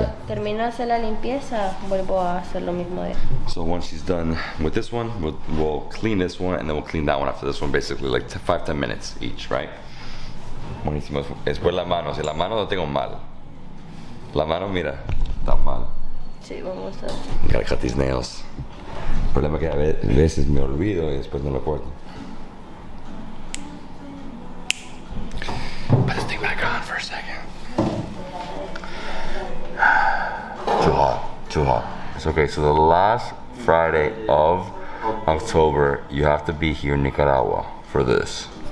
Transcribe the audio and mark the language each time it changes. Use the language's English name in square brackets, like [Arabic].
[Spanish] Cuando termino de hacer la limpieza, vuelvo a hacer lo mismo de él. [English] So once she's done with this one, we'll clean this one, and then we'll clean that one after this one, basically, like 5-10 minutes each, right? [Spanish] Buenísimo. Después la mano. Si la mano no tengo mal. La mano, mira, está mal. Sí, vamos a... [English] Gotta cut these nails. [Spanish] El problema es que a veces me olvido y después no lo corto. [English] Put this thing back on for a second. Too hot, too hot. It's okay, so the last Friday of October, you have to be here in Nicaragua for this.